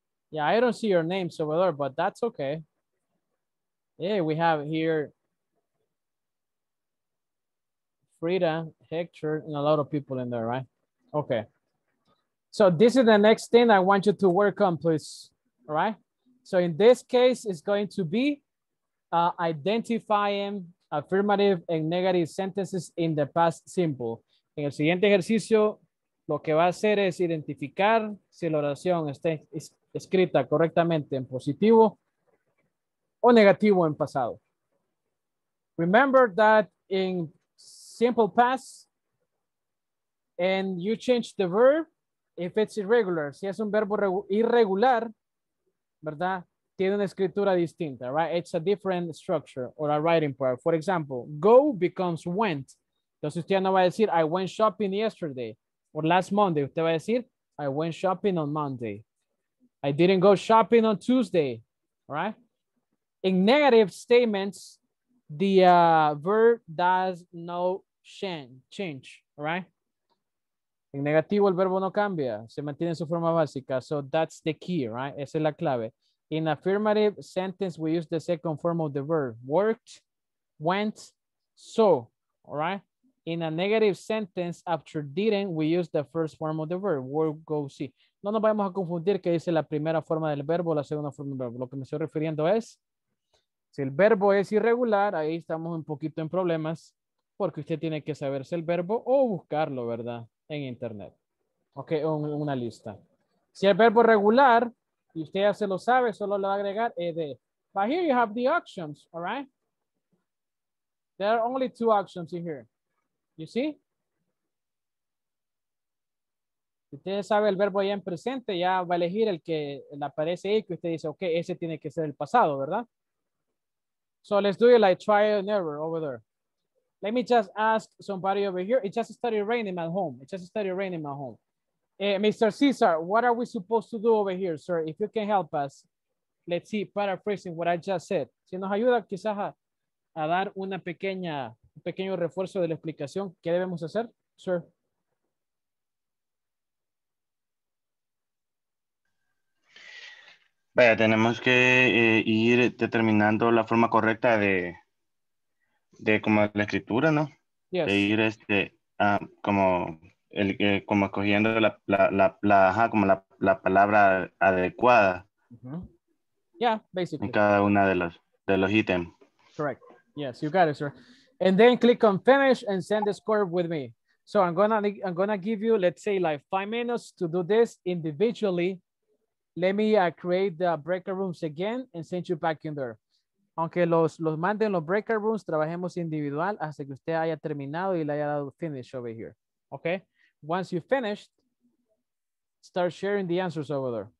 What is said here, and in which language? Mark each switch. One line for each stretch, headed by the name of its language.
English: Yeah, I don't see your name so well, but that's okay. Yeah, we have here Frida, Hector, and a lot of people in there, right? Okay. So this is the next thing I want you to work on, please. All right? So in this case, it's going to be identifying affirmative and negative sentences in the past simple.
Spanish: En el siguiente ejercicio, lo que va a hacer es identificar si la oración está escrita correctamente en positivo o negativo en pasado.
English: Remember that in simple past, and you change the verb if it's irregular.
Spanish: Si es un verbo irregular, ¿verdad? Tiene una escritura distinta,
English: right? It's a different structure or a writing part. For example, go becomes went.
Spanish: Entonces usted no va a decir,
English: I went shopping yesterday. Or last Monday,
Spanish: usted va a decir,
English: I went shopping on Monday. I didn't go shopping on Tuesday, right? In negative statements, the verb does no change, right?
Spanish: En negativo, el verbo no cambia. Se mantiene en su forma básica.
English: So that's the key, right?
Spanish: Esa es la clave.
English: In affirmative sentence, we use the second form of the verb. Worked, went, so, all right? In a negative sentence, after didn't, we use the first form of the verb. Work, go, see.
Spanish: No nos vayamos a confundir que dice la primera forma del verbo o la segunda forma del verbo. Lo que me estoy refiriendo es, si el verbo es irregular, ahí estamos un poquito en problemas porque usted tiene que saberse el verbo o buscarlo, ¿verdad? En internet. Ok, una lista. Si el verbo es regular y usted ya se lo sabe, solo le va a agregar ed.
English: But here you have the options, all right? There are only two options in here. You see?
Spanish: Si usted sabe el verbo ya en presente, ya va a elegir el que le aparece ahí, que usted dice, ok, ese tiene que ser el pasado, ¿verdad?
English: So let's do it like trial and error over there. Let me just ask somebody over here. It just started raining at home. It just started raining at home. Mr. Cesar, what are we supposed to do over here, sir? If you can help us, let's see, paraphrasing what I just said.
Spanish: Si nos ayuda quizás a dar una pequeña un pequeño refuerzo de la explicación. ¿Qué debemos hacer, sir? Vaya, tenemos que ir determinando la forma correcta de como la escritura, ¿no?
English: Yes.
Spanish: De ir como el como escogiendo la palabra adecuada.
English: Mm-hmm. Yeah, basically.
Spanish: En cada una de los ítems.
English: Correct. Yes, you got it, sir. And then click on finish and send the score with me. So I'm gonna give you, let's say, like 5 minutes to do this individually. Let me create the breakout rooms again and send you back in there.
Spanish: Aunque los manden los breakout rooms, trabajemos individual hasta que usted haya terminado y le haya dado finish over here.
English: Okay? Once you finished, start sharing the answers over there.